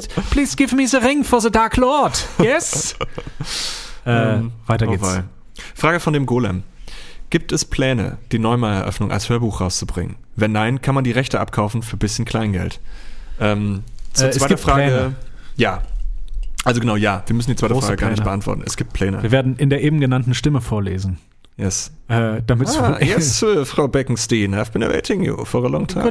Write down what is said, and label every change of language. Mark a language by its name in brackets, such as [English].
[English] Please give me the ring for the Dark Lord. Yes. [German] Weiter geht's. Oh, Frage von dem Golem. Gibt es Pläne, die Neumayer-Eröffnung als Hörbuch rauszubringen? Wenn nein, kann man die Rechte abkaufen für ein bisschen Kleingeld? Zweite Frage. Pläne. Ja. Also genau, ja. Wir müssen die zweite Frage gar nicht beantworten. Es gibt Pläne. Wir werden in der eben genannten Stimme vorlesen. [English] Yes. [German] Frau [English] Beckenstein, I've been awaiting you for a long time.